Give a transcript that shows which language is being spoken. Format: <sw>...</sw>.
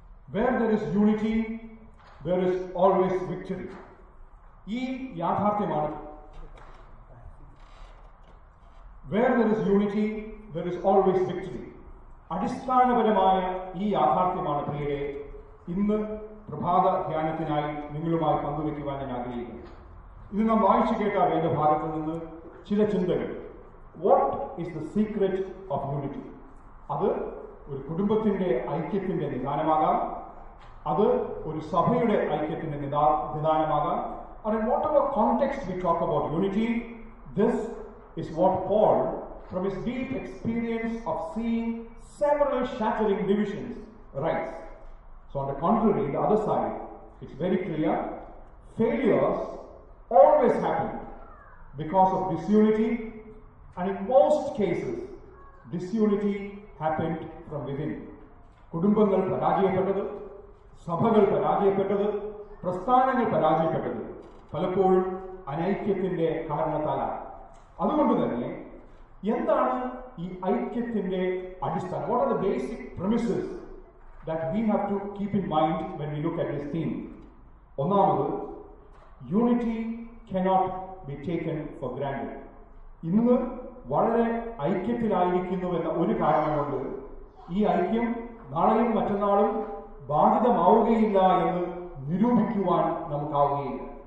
<en>Where there is unity, there is always victory.</en> <ml>ഈ യാഥാർത്ഥ്യമാണ്.</ml> <en>Where there is unity, there is always victory.</en> <ml>അടിസ്ഥാനപരമായ ഈ യാഥാർത്ഥ്യമാണ് പ്രിയരെ ഇന്ന് പ്രഭാത ധ്യാനത്തിനായി നിങ്ങളുമായി പങ്കുവയ്ക്കുവാൻ ഞാൻ ആഗ്രഹിക്കുന്നു. ഇത് നാം വായിച്ചു കേട്ട വേദഭാഗത്തു നിന്ന് ചില ചിന്തകൾ.</ml> <en>What is the secret of unity?</en> <ml>അത് ഒരു കുടുംബത്തിന്റെ ഐക്യത്തിന്റെ നിദാനമാകാം, അത് ഒരു സഭയുടെ ഐക്യത്തിന്റെ നിദാനമാകാം.</ml> <en>Or in whatever context we talk about unity, this is what Paul, from his deep experience of seeing several shattering divisions, writes. So on the contrary, the other side, it's very clear, failures always happen because of disunity, and in most cases, disunity happened from within.</en> <ml>കുടുംബങ്ങൾ പരാജയപ്പെട്ടത്, സഭകൾ പരാജയപ്പെട്ടത്, പ്രസ്ഥാനങ്ങൾ പരാജയപ്പെട്ടത് പലപ്പോഴും അനൈക്യത്തിന്റെ കാരണത്താലാണ്. അതുകൊണ്ട് തന്നെ എന്താണ് ഈ ഐക്യത്തിന്റെ അടിസ്ഥാനം?</ml> <en>What are the basic premises that we have to keep in mind when we look at this theme?</en> <ml>ഒന്നാമത്,</ml> <en>Unity cannot be taken for granted.</en> <ml>ഇന്ന് വളരെ ഐക്യത്തിലായിരിക്കുന്നുവെന്ന ഒരു കാരണം കൊണ്ട് ഈ ഐക്യം നാളെയും മറ്റന്നാളും ബാധിതമാവുകയില്ല എന്ന് നിരൂപിക്കുവാൻ നമുക്കാവുകയില്ല.</ml>